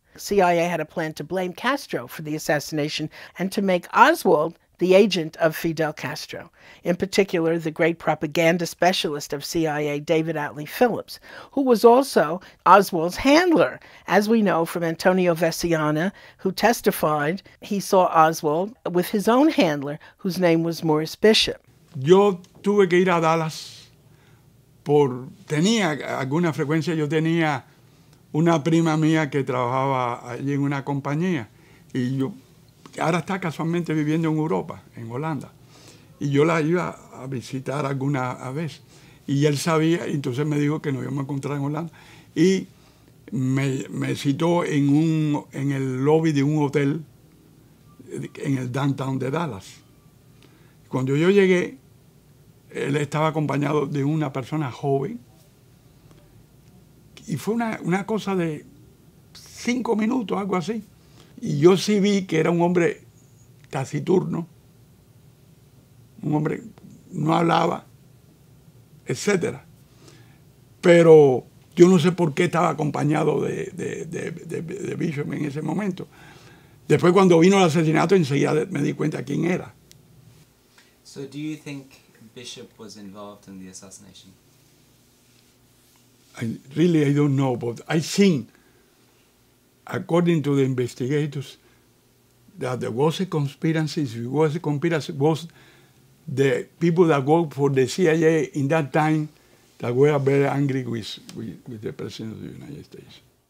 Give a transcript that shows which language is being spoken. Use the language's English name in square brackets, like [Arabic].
[English] CIA had a plan to blame Castro for the assassination and to make Oswald the agent of Fidel Castro, in particular, the great propaganda specialist of CIA, David Atlee Phillips, who was also Oswald's handler. As we know from Antonio Veciana, who testified, he saw Oswald with his own handler, whose name was Morris Bishop. [Spanish] Yo tuve que ir a Dallas por, tenía alguna frecuencia, yo tenía una prima mía que trabajaba allí en una compañía, y yo ahora está casualmente viviendo en Europa, en Holanda. Y yo la iba a visitar alguna vez. Y él sabía, entonces me dijo que nos íbamos a encontrar en Holanda. Y me citó en el lobby de un hotel en el downtown de Dallas. Cuando yo llegué, él estaba acompañado de una persona joven. Y fue una cosa de 5 minutos, algo así. Y yo sí vi que era un hombre taciturno, un hombre no hablaba, etc. Pero yo no sé por qué estaba acompañado de Bishop en ese momento. Después, cuando vino el asesinato, enseguida me di cuenta quién era. [English] So do you think Bishop was involved in the assassination? I don't know, but I think, according to the investigators, that there was a conspiracy. Was the people that worked for the CIA in that time that were very angry with the President of the United States.